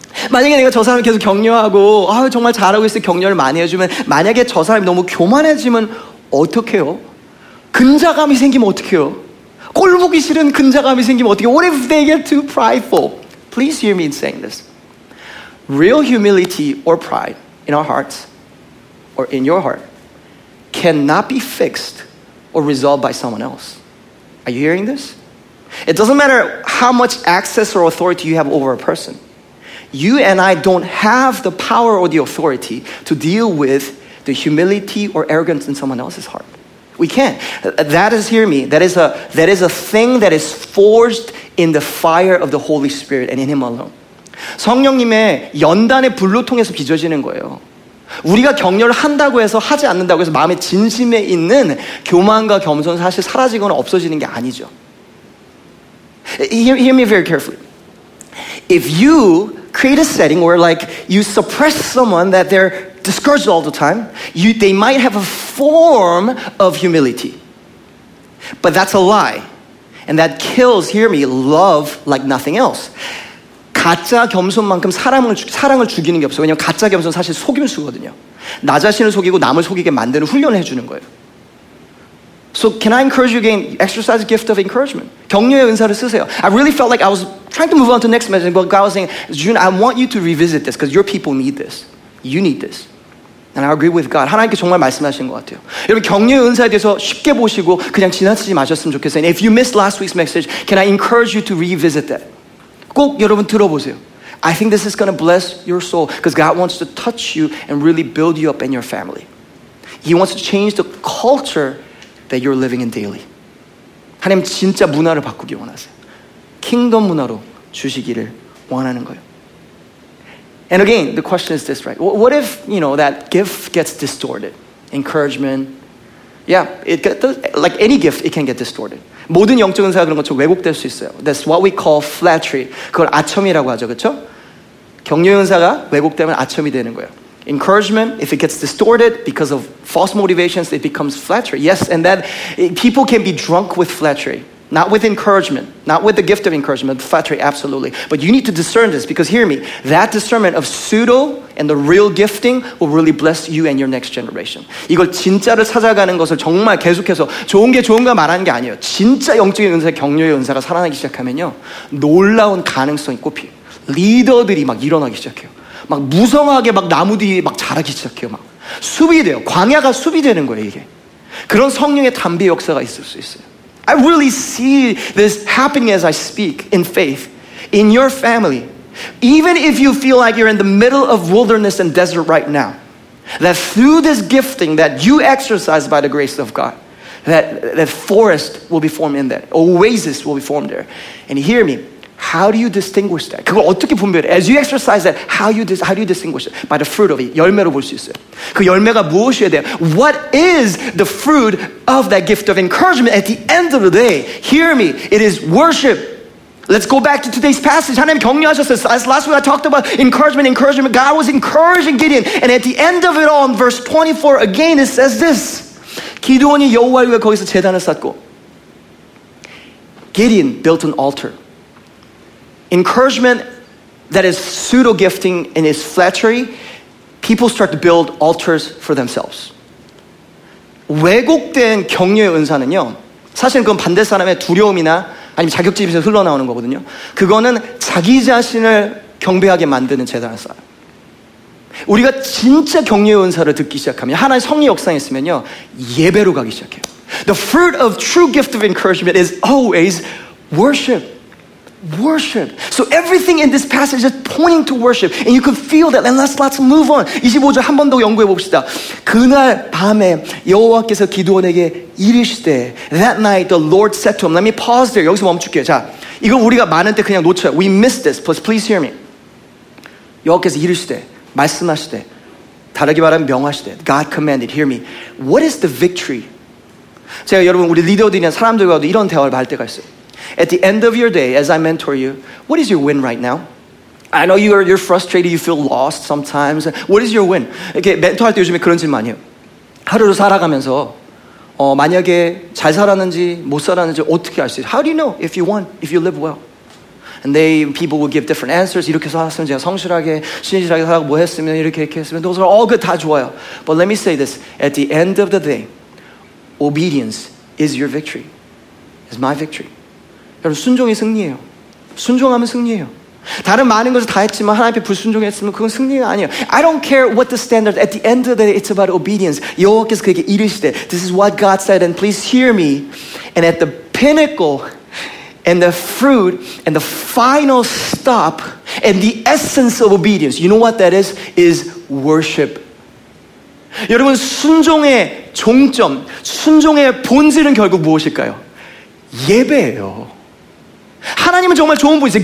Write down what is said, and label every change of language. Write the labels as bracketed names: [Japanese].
[Korean] 만약에 내가 저 사람 계속 격려하고 정말 잘하고 있어 격려를 많이 해주면 만약에 저 사람 너무 교만해지면 어떡해요? 근자감이 생기면 어떡해요? 꼴 보기 싫은 근자감이 생기면 어떡해요? [English] What if they get too prideful? Please hear me in saying this. Real humility or pride in our hearts or in your heart cannot be fixed or resolved by someone else. Are you hearing this? It doesn't matter how much access or authority you have over a person. You and I don't have the power or the authority to deal with the humility or arrogance in someone else's heart. We can't. That is, hear me, that is a thing that is forged in the fire of the Holy Spirit and in Him alone. [Korean] 성령님의 연단의 불로 통해서 빚어지는 거예요. 우리가 격려를 한다고 해서 하지 않는다고 해서 마음의 진심에 있는 교만과 겸손 사실 사라지거나 없어지는 게 아니죠. [English] Hear me very carefully. If you create a setting where like you suppress someone that they're discouraged all the time, they might have a form of humility. But that's a lie. And that kills, hear me, love like nothing else. [Korean] 가짜 겸손만큼 사랑을 죽이는 게 없어요. 왜냐하면 가짜 겸손 사실 속임수거든요. 나 자신을 속이고 남을 속이게 만드는 훈련을 해주는 거예요. [English] So can I encourage you again? Exercise the gift of encouragement. [Korean] 격려의 은사를 쓰세요. [English] I really felt like I was trying to move on to the next message, but God was saying, June, I want you to revisit this because your people need this. You need this. And I agree with God. [Korean] 하나님께 정말 말씀하신 것 같아요. 여러분 격려의 은사에 대해서 쉽게 보시고 그냥 지나치지 마셨으면 좋겠어요. [English] And if you missed last week's message, can I encourage you to revisit that? [Korean] 꼭 여러분 들어보세요. [English] I think this is going to bless your soul because God wants to touch you and really build you up in your family. He wants to change the culture that you're living in daily. [Korean] 하나님 진짜 문화를 바꾸기 원하세요. 킹덤 문화로 주시기를 원하는 거예요. [English] And again, the question is this, right? What if, you know, that gift gets distorted? Encouragement. Yeah, it gets, like any gift, it can get distorted. [Korean] 모든 영적 은사가 그런 것처럼 왜곡될 수 있어요. [English] That's what we call flattery. [Korean] 그걸 아첨이라고 하죠, 그렇죠? 격려 은사가 왜곡되면 아첨이 되는 거예요. [English] Encouragement, if it gets distorted because of false motivations, it becomes flattery. Yes, and that people can be drunk with flattery. Not with encouragement. Not with the gift of encouragement. Flattery, absolutely. But you need to discern this because hear me, that discernment of pseudo and the real gifting will really bless you and your next generation. [Korean] 이걸 진짜를 찾아가는 것을 정말 계속해서 좋은 게 좋은가 말하는 게 아니에요. 진짜 영적인 은사, 격려의 은사가 살아나기 시작하면요. 놀라운 가능성이 꽃피요. 리더들이 막 일어나기 시작해요. 막 무성하게 막 나무들이 막 자라기 시작해요. 막 숲이 돼요. 광야가 숲이 되는 거예요, 이게. 그런 성령의 담비 역사가 있을 수 있어요. [English] I really see this happening as I speak in faith, in your family. Even if you feel like you're in the middle of wilderness and desert right now, that through this gifting that you exercise by the grace of God, that forest will be formed in there, oasis will be formed there. And hear me, How do you distinguish that? [Korean] 그걸 어떻게 분별해? [English] As you exercise that, how do you distinguish it? By the fruit of it. [Korean] 열매로 볼 수 있어요. 그 열매가 무엇이어야 돼요? [English] What is the fruit of that gift of encouragement at the end of the day? Hear me. It is worship. Let's go back to today's passage. [Korean] 하나님 격려하셨어요. [English] As last week I talked about encouragement. God was encouraging Gideon. And at the end of it all, in verse 24, again, it says this. [Korean] 기드온이 여호와를 위해 거기서 제단을 쌓고 [English] Gideon built an altar. Encouragement that is pseudo-gifting and is flattery, people start to build altars for themselves. [Korean] 왜곡된 격려의 은사는요, 사실은 그건 반대 사람의 두려움이나 아니면 자격지심에서 흘러나오는 거거든요. 그거는 자기 자신을 경배하게 만드는 제단을 쌓아요. 우리가 진짜 격려의 은사를 듣기 시작하면 하나의 성의 역상에 있으면요 예배로 가기 시작해요. [English] The fruit of true gift of encouragement is always worship. Worship. So everything in this passage is pointing to worship. And you can feel that. And let's move on. [Korean] 25절 한 번 더 연구해 봅시다. 그날 밤에 여호와께서 기드온에게 이르시되 [English] That night the Lord said to him. Let me pause there. [Korean] 여기서 멈출게요. 자, 이건 우리가 많은 때 그냥 놓쳐요. [English] We miss this. Please hear me. [Korean] 여호와께서 이르시되 말씀하시되 다르게 말하면 명하시되 [English] God commanded. Hear me. What is the victory? [Korean] 제가 여러분 우리 리더들이나 사람들과도 이런 대화를 할 때가 있어요. [English] At the end of your day, as I mentor you, what is your win right now? I know you're frustrated, you feel lost sometimes. What is your win? [Korean] 이렇게 멘토할 때 요즘에 그런 질문 많이 해요. 하루를 살아가면서 만약에 잘 살았는지 못 살았는지 어떻게 알 수 있어요? [English] How do you know if you won, if you live well? And they, people will give different answers. [Korean] 이렇게 살았으면 제가 성실하게, 신실하게 살고 뭐 했으면 이렇게 했으면 [English] those are all good, [Korean] 다 좋아요. [English] But let me say this, at the end of the day, obedience is your victory, is my victory. [Korean] 여러분 순종이 승리예요. 순종하면 승리예요. 다른 많은 것을 다 했지만 하나님 앞에 불순종했으면 그건 승리가 아니에요. [English] I don't care what the standard. At the end of the day, it's about obedience. [Korean] 여호와께서 그에게 이르시되, [English] This is what God said, and please hear me. And at the pinnacle, and the fruit, and the final stop, and the essence of obedience. You know what that is? Is worship. [Korean] 여러분 순종의 종점, 순종의 본질은 결국 무엇일까요? 예배예요. 하나님은 정말 좋은 분이세요.